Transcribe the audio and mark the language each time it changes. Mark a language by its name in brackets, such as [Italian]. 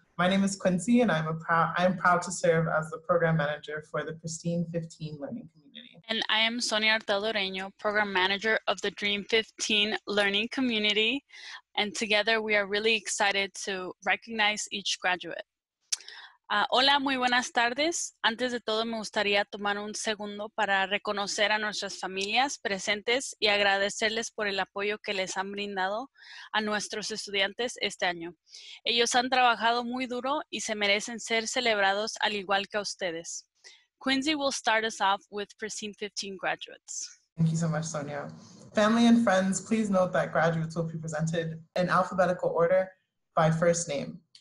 [English] My name is Quincy, and I'm proud to serve as the program manager for the Pristine 15 Learning Community. And I am Sonia Hurtado Ureño, program manager of the Dream 15 Learning Community. And together, we are really excited to recognize each graduate. [Spanish] Hola, muy buenas tardes. Antes de todo, me gustaría tomar un segundo para reconocer a nuestras familias presentes y agradecerles por el apoyo que les han brindado a nuestros estudiantes este año. Ellos han trabajado muy duro y se merecen ser celebrados al igual que a ustedes. [English] Quincy will start us off with Pristine 15 graduates. Thank you so much, Sonia. Family and friends, please note that graduates will be presented in alphabetical order by first name.